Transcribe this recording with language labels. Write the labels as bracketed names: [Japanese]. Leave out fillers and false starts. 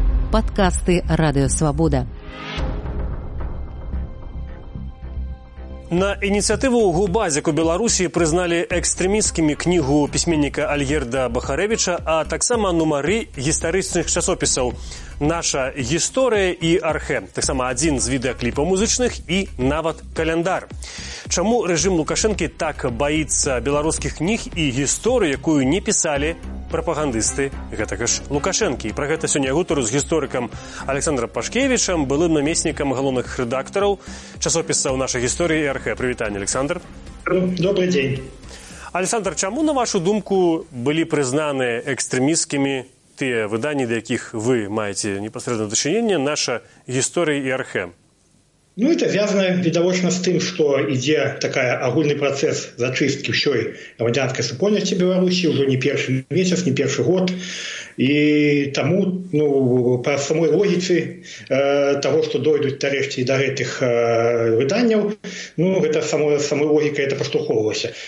[Russian] подкасты «Радио Свобода». [Ukrainian] На ініціативу «Губазік» у Білорусі признали екстремістськими книгу письменника Альгерда Бахаревича, а так само номери історичних часописів «Наша історія» і «Архе», так само один з відеокліпів музичних і навіть календар. Чому режим Лукашенки так боїться білоруських книг і історії, яку не писали пропагандисти [Belarusian] гэтага ж Лукашэнкі? І про гэта сёння гутару з гісторыкам Александрам Пашкевічам, былым намеснікам галоўных рэдактараў часопіса «У нашай гісторыі» і «Архе». Прывітанне, Александр. Добрый дзень. Александр, чаму, на вашу думку, былі прызнаны экстрэмісцкімі тыя выданні, да якіх вы маеце непасрэдна дачыненне, «Наша гісторыя» і «Архе»? [Russian] Ну, это связано, видовочно, с тем, что идея такая, огульный процесс зачистки всей гражданской супольности Беларуси уже не первый месяц, не первый год. И тому, ну, по самой логике того, что дойдут тарешки до этих выданий, ну, это самой логикой это поштуховывалось.